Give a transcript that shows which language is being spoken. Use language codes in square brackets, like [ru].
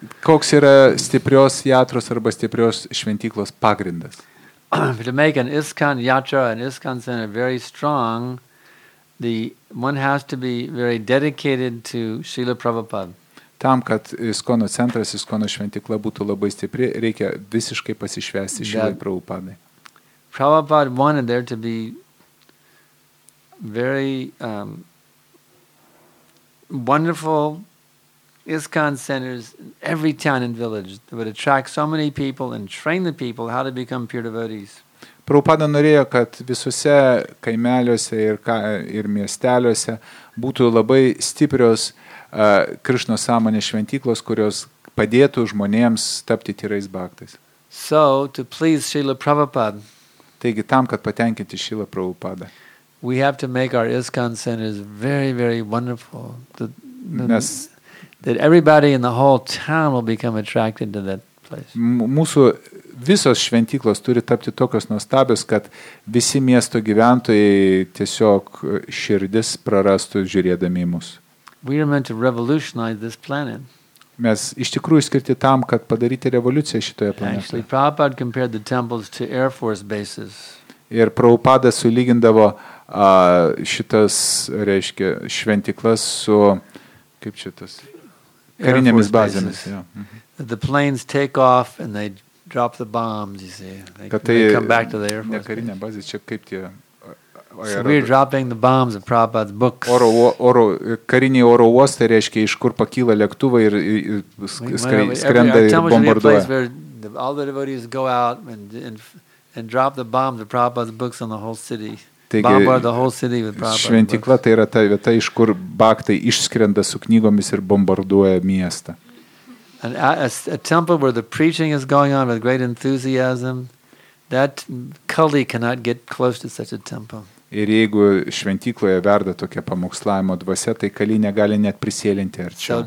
[lt] Koks yra stiprios jatros arba stiprios šventyklos pagrindas? [en] To make an ISKCON yatra, an ISKCON center very strong, the one has to be very dedicated to Srila Prabhupada. [lt] Tam, kad ISKCONO centras, ISKCONO šventykla būtų labai stipri, reikia visiškai pasišvęsti Srila Prabhupadai. [en] Prabhupada wanted there to be very wonderful ISKCON centers in every town and village that would attract so many people and train the people how to become pure devotees. [lt] Prabhupada norėjo, kad visuose kaimeliuose ir miesteliuose būtų labai stiprios Krišnos sąmonės šventyklos, kurios padėtų žmonėms tapti tyrais bhaktais. [en] So, to please Srila Prabhupada. [lt] Taigi tam, kad patenkinti Srila Prabhupada. [en] We have to make our ISKCON centers very, very wonderful. That everybody in the whole town will become attracted to that place. [lt] Mūsų visos šventyklos turi tapti tokios nuostabios, kad visi miesto gyventojai tiesiog širdis prarastų žiūrėdami į mus. [en] We are meant to revolutionize this planet. [lt] Mes iš tikrųjų skirti tam, kad padaryti revoliuciją šitoje planetoje. [en] Prabhupada compared the temples to Air Force bases. [lt] Ir Prabhupada sulygindavo šitas, reiškia, šventyklas su, kaip čia tas, karinėmis bazėmis. [en] The planes take off and they drop the bombs, you see. They come back to the Air Force. [lt] Ne karinė bazė, čia kaip tie. [en] So we're dropping the bombs of Prabhupada's books. [lt] Kariniai oro uostai, reiškia, iš kur pakyla lėktuvai ir skrenda ir bombarduoja. [en] All the devotees go out and drop the bombs of Prabhupada's books on the whole city. Bombard the whole city with Prabhupada's books. [lt] Šventykla tai yra ta vieta, iš kur baktai išskrenda su knygomis ir bombarduoja miestą. [en] And a temple where the preaching is going on with great enthusiasm, that Kali cannot get close to such a temple. [lt] Ir jeigu šventykloje verda tokia pamokslavimo dvasia, tai Kali negali net prisėlinti arčiau.